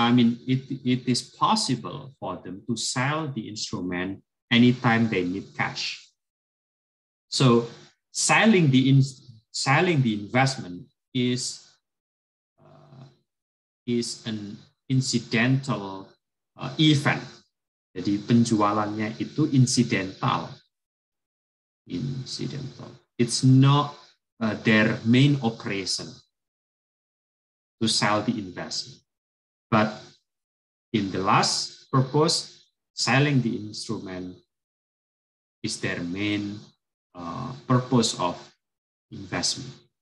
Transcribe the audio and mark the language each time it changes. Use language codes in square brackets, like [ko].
[en] I mean, it is possible for them to sell the instrument anytime they need cash. So selling the investment is an incidental event. [id] Jadi penjualannya itu incidental. [en] Incidental. It's not their main operation to sell the investment. But in the last purpose, selling the instrument is their main purpose of investment.